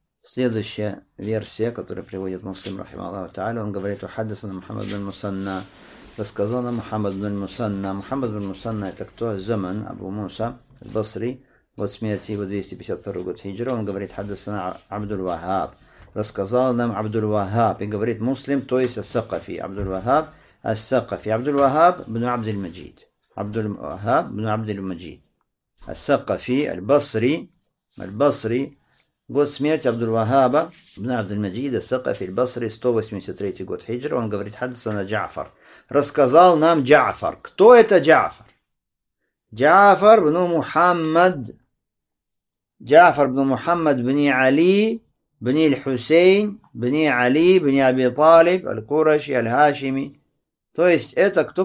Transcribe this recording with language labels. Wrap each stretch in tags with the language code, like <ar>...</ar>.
<ru>Следующая версия, которую приводит Муслим, рахимаху тааля, он говорит:</ru> <ar>«Ухаддисана Мухаммад бин Мусанна»,</ar> <ru>рассказал нам Мухаммад бин Мусанна. Мухаммад бин Мусанна это кто? Заман Абу Муса, Басри, вот смерти его 252 год хиджра. Он говорит:</ru> <ar>«Ухаддисана Абдул-Вахаб»,</ar> <ru>рассказал нам Абдул-Вахаб, и говорит Муслим, то есть Ас-Сакафи. Абдул-Вахаб</ru> <ar>الثقفي عبد الوهاب بن عبد المجيد. عبد الوهاب بن عبد المجيد الثقفي البصري.</ar> <ru>البصري год смерти Абдул-Вахаба, ибн Абдул-Маджида, Сакафи, Басри, 183 год хиджра, он говорит,</ru> <ar>хадисана Джаафар.</ar> <ru>Рассказал нам Джаафар. Кто это Джаафар? Джаафар бну Мухаммад. Джаафар бну Мухаммад бни Али, бни Аль-Хусейн, бни Али, бни Аби Талиб, Аль-Кураши, Аль-Хашими. То есть это кто?</ru>